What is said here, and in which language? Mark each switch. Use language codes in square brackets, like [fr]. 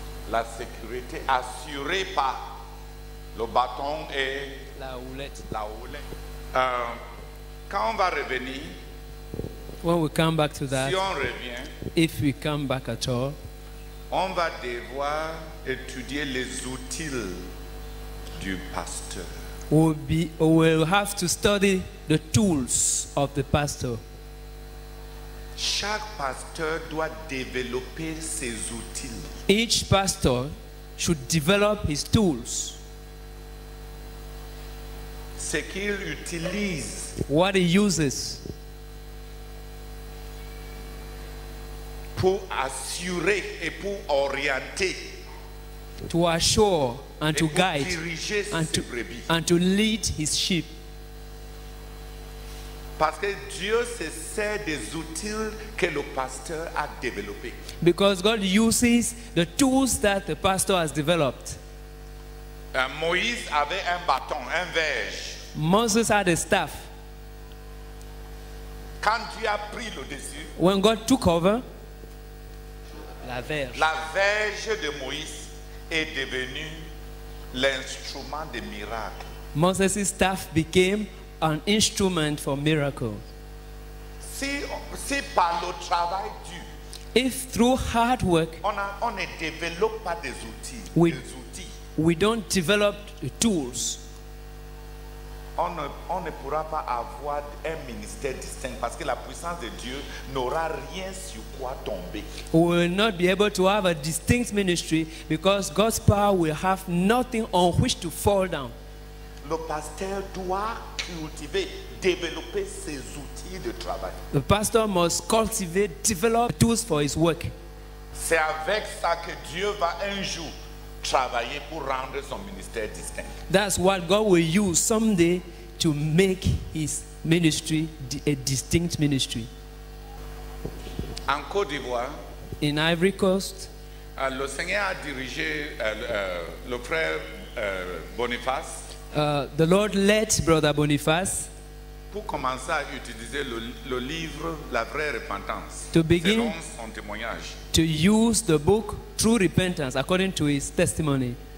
[fr] La sécurité assurée par le bâton et la houlette. La houlette. Quand on va revenir, [en] when we come back to that, [fr] si on revient, [en] if we come back at all, [fr] on va devoir étudier les outils du pasteur. [en] We'll have to study the tools of the pastor. [fr] Chaque pasteur doit développer ses outils. [en] Each pastor should develop his tools. [fr] Ce qu'il utilise. [en] What he uses. [fr] Pour assurer et pour orienter. [en] To assure and to guide and to lead his sheep. [fr] Parce que Dieu se sert des outils que le pasteur a développé. [en] Because God uses the tools that the pastor has developed. [fr] Moïse avait un bâton, un verge. [en] Moses had a staff. [fr] Quand Dieu a pris le dessus, [en] when God took over, [fr] la verge de Moïse est devenu l'instrument de miracle. [en] Moses' staff became an instrument for miracle. [fr] Si par le travail dû, [en] if through hard work, [fr] on ne développe pas des outils, [en] we don't develop the tools. [fr] on ne pourra pas avoir un ministère distinct parce que la puissance de Dieu n'aura rien sur quoi tomber. [en] We will not be able to have a distinct ministry because God's power will have nothing on which to fall down. [fr] Le pasteur doit cultiver, développer ses outils de travail. [en] The pastor must cultivate, develop tools for his work. [fr] C'est avec ça que Dieu va un jour travailler pour rendre son ministère distinct. [en] That's what God will use someday to make his ministry a distinct ministry. [fr] En Côte d'Ivoire, [en] in Ivory Coast, [fr] le Seigneur a dirigé le frère Boniface. [en] The Lord led Brother Boniface [fr] pour commencer à utiliser le livre La Vraie Repentance. [en] To begin, [fr] selon son témoignage. [en] To use the book True Repentance according to his testimony.